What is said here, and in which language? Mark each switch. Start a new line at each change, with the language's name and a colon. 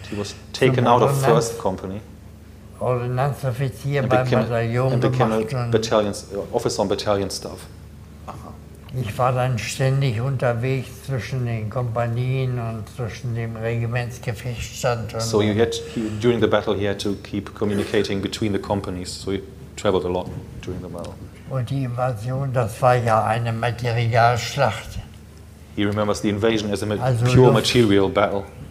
English: he was taken out of first company.
German: Ordnanzoffizier beim Bataillon gemacht und
English: Battalions, officer on battalion staff.
German: Ich war dann ständig unterwegs zwischen den Kompanien und zwischen dem Regimentsgefechtsstand.
English: So you had, during the battle he had to keep communicating between the companies, so he traveled a lot during the battle.
German: Und die Invasion, das war ja eine Materialschlacht.
English: He remembers the invasion as a pure material battle.